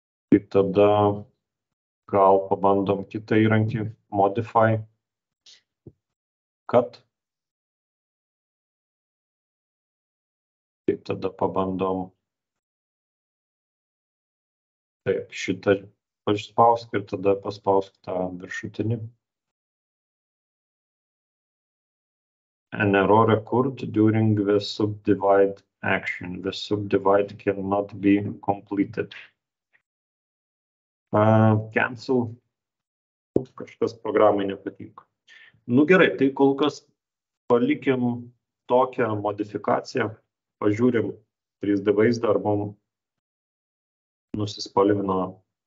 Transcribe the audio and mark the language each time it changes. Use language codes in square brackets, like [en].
[lt] Tai tada gal pabandom kitą įrankį, modify, cut. Taip, tada pabandom. Taip, šitą paspausk ir tada paspausk tą viršutinį. [en] An error occurred during the subdivide action. The subdivide cannot be completed. Cancel. [lt] Kažkas programai nepatinka. Nu gerai, tai kol kas palikim tokią modifikaciją. Pažiūrim 3D vaizdą, ar mum nusispalvino.